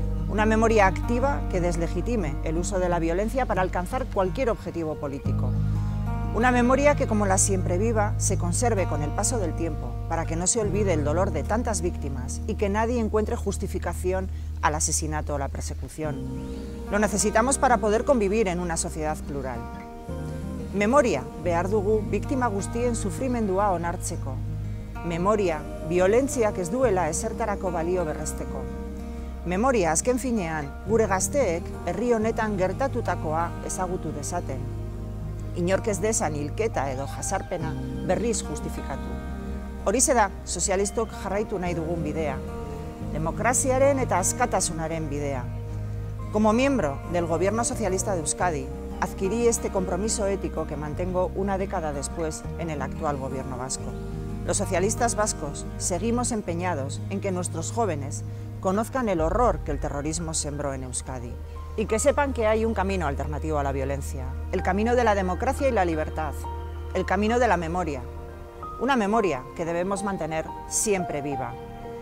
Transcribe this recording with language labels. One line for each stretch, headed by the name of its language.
Spanish: Una memoria activa que deslegitime el uso de la violencia para alcanzar cualquier objetivo político. Una memoria que, como la siempre viva, se conserve con el paso del tiempo para que no se olvide el dolor de tantas víctimas y que nadie encuentre justificación al asesinato o la persecución. Lo necesitamos para poder convivir en una sociedad plural.
Basque: Memoria, behar dugu, biktima guztien sufrimendua onartzeko. Memoria, violentziak ez duela ezertarako balio berresteko. Memoria, azken finean, gure gazteek herri honetan gertatutakoa ezagutu dezaten. Inork ez desan hilketa edo jazarpena berriz justifikatu. Horixe da, sozialistok jarraitu nahi dugun bidea. Demokraziaren eta askatasunaren bidea.
Spanish: Como miembro del Gobierno Socialista de Euskadi, adquirí este compromiso ético que mantengo una década después en el actual Gobierno Vasco. Los socialistas vascos seguimos empeñados en que nuestros jóvenes conozcan el horror que el terrorismo sembró en Euskadi y que sepan que hay un camino alternativo a la violencia, el camino de la democracia y la libertad, el camino de la memoria, una memoria que debemos mantener siempre viva.